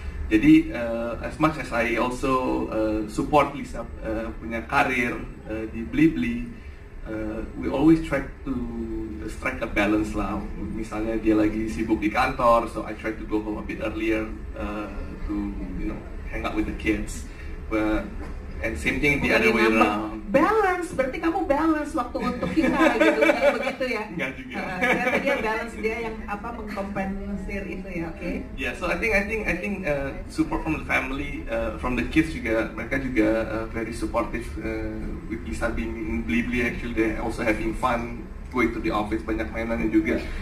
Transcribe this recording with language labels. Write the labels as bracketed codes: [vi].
[en] Jadi as much as I also support Lisa [id] punya karir di [en] Blibli, we always try to strike a balance lah. [id] Misalnya dia lagi sibuk di kantor, [en] so I try to go home a bit earlier to you know hang out with the kids. But and same thing the other way around. [id] Balance, berarti kamu balance waktu untuk kita gitu, kayak begitu ya? Enggak juga. Karena dia balance, dia yang apa mengkompensir itu ya, okay? [en] Yeah, so I think support from the family, from the kids juga, [id] mereka juga [en] very supportive with Lisa being in Blibli. Actually, they also having fun going to the office, [id] banyak mainannya juga.